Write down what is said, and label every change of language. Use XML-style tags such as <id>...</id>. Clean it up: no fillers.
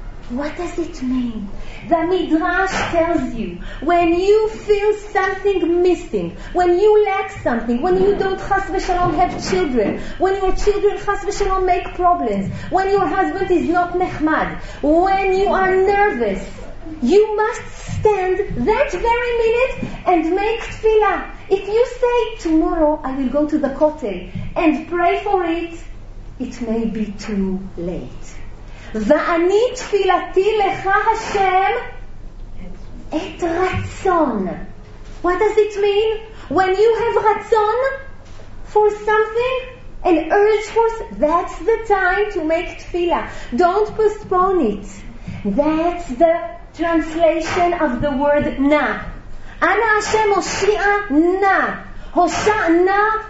<en>What does it mean? The Midrash tells you, when you feel something missing, when you lack something, when you don't</en> <he>chas v'shalom</he> <en>have children, when your children chas v'shalom make problems, when your husband is not nechmad, when you are nervous, you must stand that very minute and make tefillah. If you say, tomorrow I will go to the Kotel and pray for it, it may be too late.</en> <he>ואני תפילתי לך השם את רצון.</he> <en>What does it mean? When you have רצון for something, an urge for, that's the time to make תפילה. Don't postpone it. That's the translation of the word נא.</en> <he>אנא השם הושיע נא. הושע נא.</he>